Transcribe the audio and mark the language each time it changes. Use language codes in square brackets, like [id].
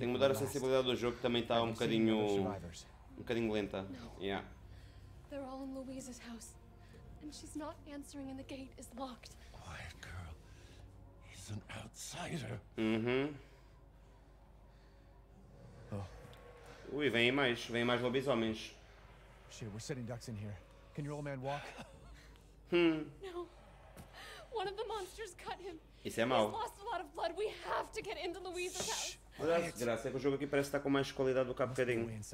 [pt] Tenho que mudar a sensibilidade do jogo, que também está um bocadinho lenta. [en] No. Yeah. They're all in Louise's house. And she's not answering, and the gate is locked. Quiet, girl. He's an outsider. Mm-hmm. Oh. [pt] Ui, vem mais lobisomens. [en] Shit, we're sitting ducks in here. Can your old man walk? No. One of the monsters cut him. He's lost a lot of blood. We have to get into Louise's house. Shh. [pt] Olha a desgraça, é que o jogo aqui parece estar com mais qualidade do que há bocadinho.